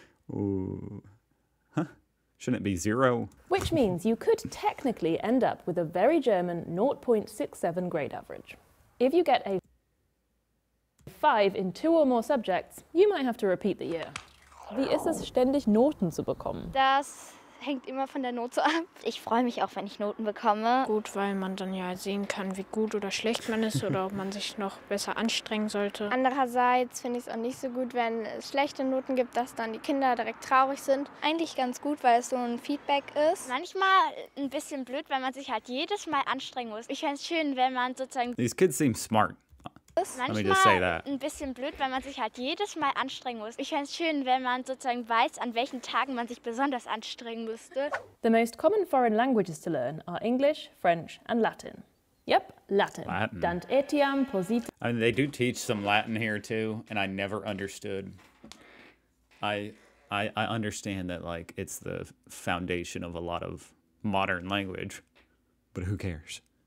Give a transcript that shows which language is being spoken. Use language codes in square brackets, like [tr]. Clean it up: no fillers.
[en] Ooh. Huh? Shouldn't it be 0? Which means you could technically end up with a very German 0.67 grade average. If you get a 5 in 2 or more subjects, you might have to repeat the year. [de] Wie ist es, ständig Noten zu bekommen? Das... hängt immer von der Note ab. Ich freue mich auch, wenn ich Noten bekomme. Gut, weil man dann ja sehen kann, wie gut oder schlecht man ist oder ob man sich noch besser anstrengen sollte. Andererseits finde ich es auch nicht so gut, wenn es schlechte Noten gibt, dass dann die Kinder direkt traurig sind. Eigentlich ganz gut, weil es so ein Feedback ist. Manchmal ein bisschen blöd, weil man sich halt jedes Mal anstrengen muss. Ich finde es schön, wenn man sozusagen... [en] These kids seem smart. [de] Manchmal [en] Let me just say that. [de] Ein bisschen blöd, weil man sich halt jedes Mal anstrengen muss. Ich fände es schön, wenn man sozusagen weiß, an welchen Tagen man sich besonders anstrengen müsste. [en] The most common foreign languages to learn are English, French and Latin. Yep, Latin. Latin. Dant etiam posit. I mean, they do teach some Latin here too, and I never understood. I understand that like it's the foundation of a lot of modern language, but who cares?